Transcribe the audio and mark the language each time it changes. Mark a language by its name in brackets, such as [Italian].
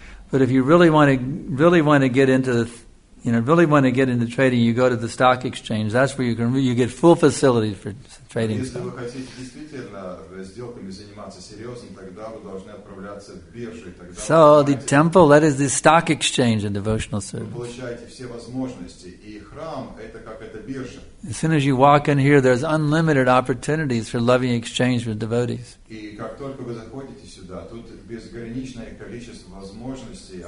[English] But if you really want to get into the you know, really want to get into trading, you go to the stock exchange. That's where you can you get full facilities for trading. [Russian] Если вы хотите действительно сделками заниматься серьезно, тогда вы должны отправляться в биржу. [English] So the temple, that is the stock exchange in devotional service. [Russian] Вы получаете все возможности, и храм это как эта биржа. [English] As soon as you walk in here, there's unlimited opportunities for loving exchange with devotees. [Russian] И как только вы заходите сюда, тут безграничное количество возможностей.